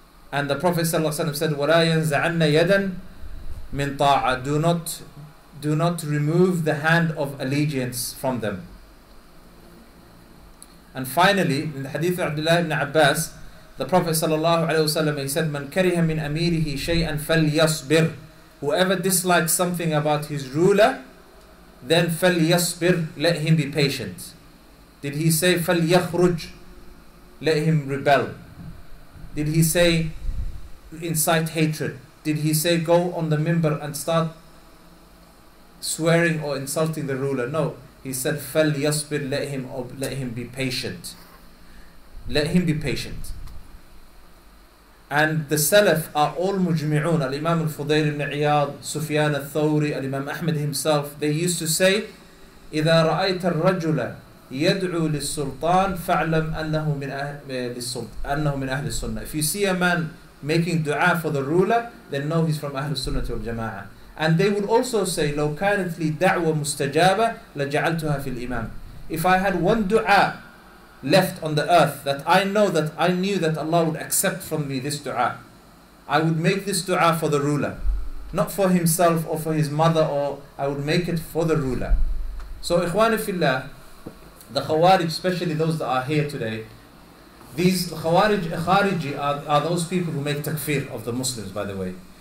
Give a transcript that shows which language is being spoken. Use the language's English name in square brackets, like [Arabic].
[English] And the Prophet ﷺ said, [Arabic] وَلَا يَنْزَعَنَّ يَدًا مِنْ طَاعَةٍ. [English] Do not remove the hand of allegiance from them. And finally, in the hadith of Abdullah ibn Abbas, the Prophet ﷺ, he said, [Arabic] مَنْ كَرِهَ مِنْ أَمِيرِهِ شَيْئًا فَلْيَصْبِرْ. [English] Whoever dislikes something about his ruler, then فَلْيَصْبِرْ, let him be patient. Did he say فَلْيَخْرُجْ, let him rebel? Did he say incite hatred? Did he say go on the minbar and start swearing or insulting the ruler? No, he said fal yasbir, let him be patient. Let him be patient. And the Salaf are all mujmi'un. Al-Imam al-Fudayl ibn Iyad, Sufyan al-Thawri, Al-Imam Ahmed himself, they used to say, [Arabic] إِذَا رَأَيْتَ الرَّجُلَ يَدْعُو لِلسُّلْطَانِ فَعْلَمْ أَنَّهُ مِنْ أَهْلِ السُّنَّةِ. [English] If you see a man making dua for the ruler, then know he's from Ahlul Sunnah wal Jama'ah. And they would also say, [Arabic] لَوْ كَانَتْ لِي دَعْوَ مُسْتَجَابَةً لَجَعَلْتُهَا فِي الْإِمَامِ. [English] If I had one dua left on the earth that I know that I knew that Allah would accept from me this dua, I would make this dua for the ruler. Not for himself or for his mother, or I would make it for the ruler. So ikhwani fillah, the Khawarij, especially those that are here today, these Khawariji are those people who make takfir of the Muslims, by the way.